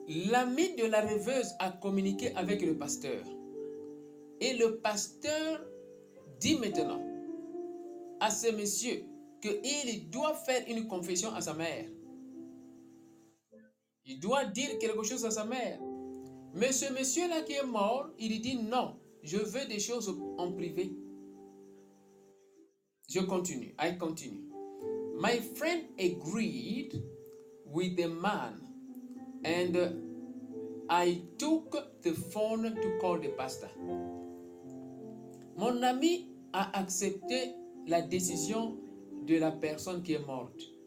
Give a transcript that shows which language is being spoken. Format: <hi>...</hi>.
<fr>L'ami de la rêveuse a communiqué avec le pasteur. Et le pasteur dit maintenant à ce monsieur qu'il doit faire une confession à sa mère. Il doit dire quelque chose à sa mère. Mais ce monsieur-là qui est mort, il dit non, je veux des choses en privé. Je continue,</fr> <en>I continue. My friend agreed with the man and I took the phone to call the pastor.</en> <fr>Mon ami a accepté la décision de la personne qui est morte.</fr>